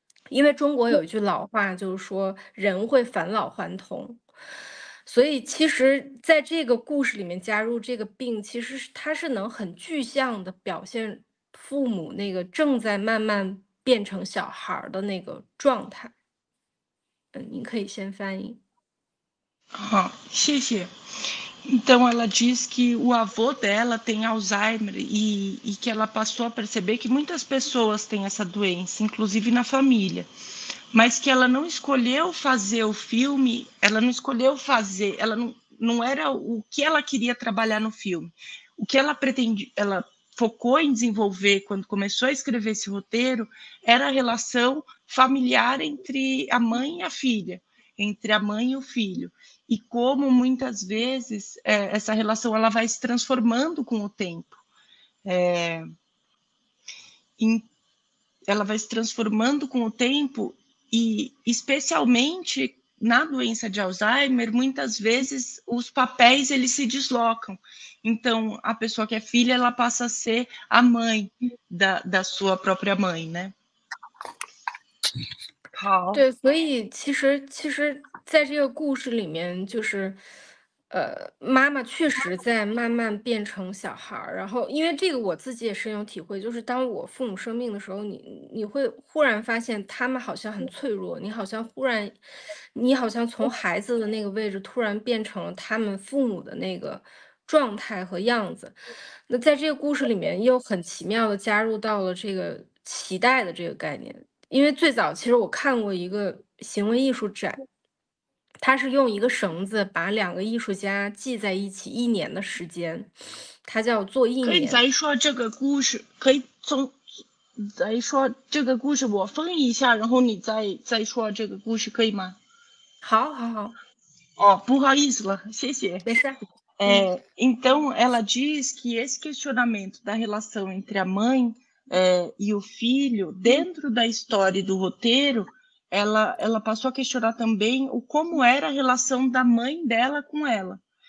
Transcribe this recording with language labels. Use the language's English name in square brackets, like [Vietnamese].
[Chinese] 因为中国有一句老话，就是说人会返老还童，所以其实在这个故事里面加入这个病，其实它是能很具象的表现父母那个正在慢慢变成小孩的那个状态。嗯，您可以先翻译。好，谢谢。 [Portuguese] Então ela diz que o avô dela tem Alzheimer e que ela passou a perceber que muitas pessoas têm essa doença, inclusive na família, mas que ela não escolheu fazer o filme, ela não escolheu fazer, ela não era o que ela queria trabalhar no filme. O que ela pretende, ela focou em desenvolver quando começou a escrever esse roteiro era a relação familiar entre a mãe e a filha, entre a mãe e o filho. E como muitas vezes essa relação ela vai se transformando com o tempo. Ela vai se transformando com o tempo e especialmente na doença de Alzheimer, muitas vezes os papéis eles se deslocam. Então, a pessoa que é filha, ela passa a ser a mãe da sua própria mãe, né? [Chinese] 对，所以其实在这个故事里面，就是妈妈确实在慢慢变成小孩，然后因为这个我自己也深有体会，就是当我父母生病的时候，你会忽然发现他们好像很脆弱，你好像从孩子的那个位置突然变成了他们父母的那个状态和样子。那在这个故事里面又很奇妙的加入到了这个期待的这个概念。因为最早其实我看过一个行为艺术展，他是用一个绳子把两个艺术家系在一起一年的时间，他叫做一年。可以再说这个故事，可以从再说这个故事，我分一下，然后你再说这个故事，可以吗？好，好，好。哦，不好意思了，谢谢。没事。 [Portuguese] Então ela diz que esse questionamento da relação entre a mãe e o filho, dentro da história do roteiro, ela passou a questionar também o como era a relação da mãe dela com ela.